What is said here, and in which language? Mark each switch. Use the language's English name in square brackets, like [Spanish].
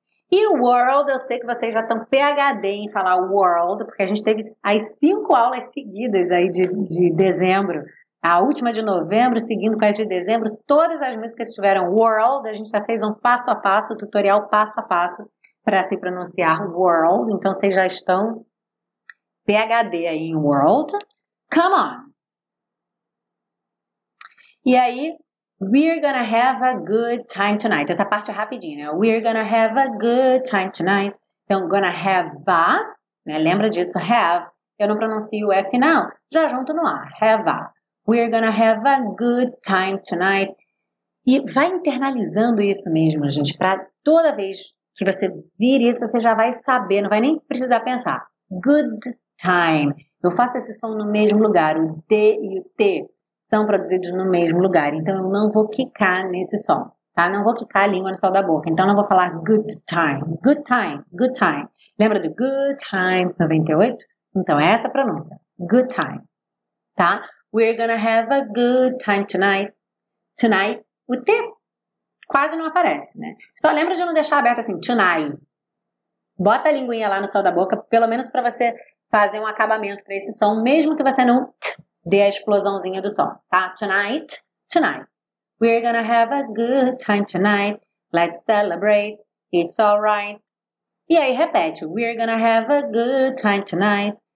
[Portuguese] E world, eu sei que vocês já estão PhD em falar world, porque a gente teve as 5 aulas seguidas aí de dezembro, a última de novembro, seguindo com a de dezembro, todas as músicas tiveram world, a gente já fez um passo a passo, um tutorial passo a passo para se pronunciar world, então vocês já estão PhD aí em world. [English] Come on! [Portuguese] E aí... [English] We're gonna have a good time tonight. [Portuguese] Essa parte é rapidinha, né? [English] We're gonna have a good time tonight. [Portuguese] Então, [English] gonna have a, [Portuguese] né? Lembra disso, have. Eu não pronuncio o F não. Já junto no A, [English] have a. We're gonna have a good time tonight. [Portuguese] E vai internalizando isso mesmo, gente. Pra toda vez que você vir isso, você já vai saber. Não vai nem precisar pensar. [English] Good time. [Portuguese] Eu faço esse som no mesmo lugar, o D e o T. São produzidos no mesmo lugar. Então, eu não vou quicar nesse som, tá? Não vou quicar a língua no sol da boca. Então, não vou falar [English] good time. Good time. Good time. [Portuguese] Lembra do [English] good times [Portuguese] 98? Então, é essa a pronúncia. [English] Good time. [Portuguese] Tá? [English] We're gonna have a good time tonight. [Portuguese] Tonight. O T quase não aparece, né? Só lembra de não deixar aberto assim, tonight. Bota a linguinha lá no céu da boca, pelo menos pra você fazer um acabamento pra esse som, mesmo que você não dê a explosãozinha do som, tá? [English] Tonight, tonight. We're gonna have a good time tonight. Let's celebrate. It's alright. [Portuguese] E aí, repete. [English] We're gonna have a good time tonight.